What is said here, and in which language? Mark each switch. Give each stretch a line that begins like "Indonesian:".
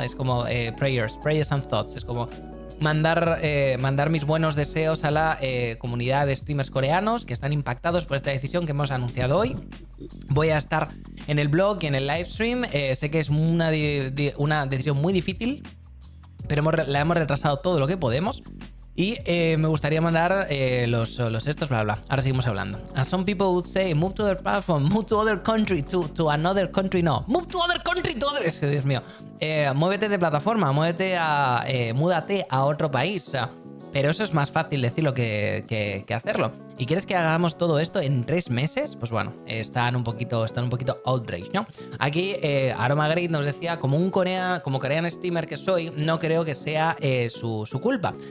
Spanish: Es como
English: prayers and thoughts.
Spanish: Es como mandar mis buenos deseos a la comunidad de streamers coreanos que están impactados por esta decisión que hemos anunciado hoy. Voy a estar en el blog y en el livestream. Sé que es una decisión muy difícil, pero la hemos retrasado todo lo que podemos y me gustaría mandar los estos, bla, bla. Ahora seguimos hablando.
English: As some people would say, move to other platform, move to other country, to another country, no. Move to other country, to other...
Spanish: Ese, Dios mío. Muévete de plataforma, múdate a otro país. Pero eso es más fácil decirlo que hacerlo. ¿Y quieres que hagamos todo esto en 3 meses? Pues bueno, están un poquito outraged, ¿no? Aquí Aroma Great nos decía, como
English: corean streamer
Spanish: que soy, no creo que sea su culpa.